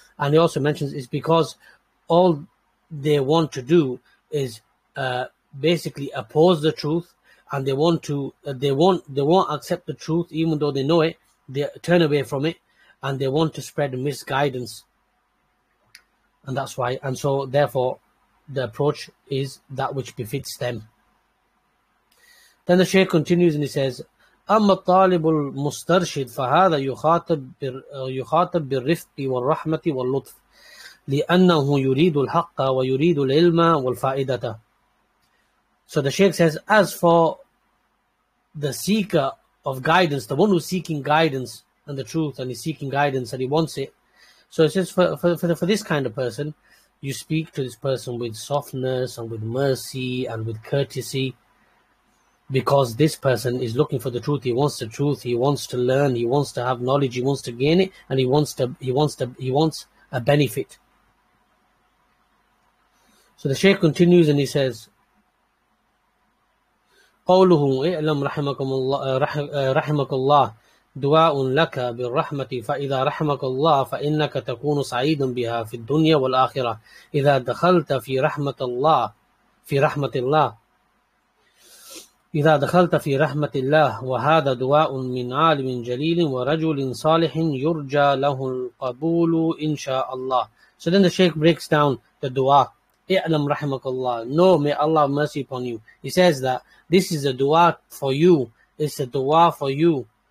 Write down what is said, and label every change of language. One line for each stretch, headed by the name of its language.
English: And he also mentions, it's because all they want to do is basically oppose the truth, and they won't accept the truth, even though they know it. They turn away from it, and they want to spread misguidance. And that's why, and so therefore, the approach is that which befits them. Then the Shaykh continues and he says,
Arabic: أَمَّا الطَّالِبُ الْمُسْتَرْشِدُ فَهَذَا يُخَاطَبْ بِالرِّفْقِ وَالرَّحْمَةِ وَاللُّطْفِ لِأَنَّهُ يُرِيدُ الْحَقَّ وَيُرِيدُ الْعِلْمَ وَالْفَائِدَةَ.
English: So the Shaykh says, as for the seeker of guidance, the one who's seeking guidance and the truth, and he's seeking guidance and he wants it, so it says for this kind of person, you speak to this person with softness and with mercy and with courtesy, because this person is looking for the truth. He wants the truth. He wants to learn. He wants to have knowledge. He wants to gain it, and he wants a benefit. So the Shaykh continues and he says,
Arabic: قوله اعلم رحمك الله دعاء لك بالرحمة فإذا رحمك الله فإنك تكون سعيدا بها في الدنيا والآخرة إذا دخلت في رحمة الله في رحمة الله إذا دخلت في رحمة الله وهذا دعاء من عالم جليل ورجل صالح يرجى له القبول إن شاء الله.
English: So then the Shaykh breaks down the dua
Arabic: I'lam rahimakallah.
English: No, may Allah have mercy upon you. He says that this is a dua for you. It's a dua for you.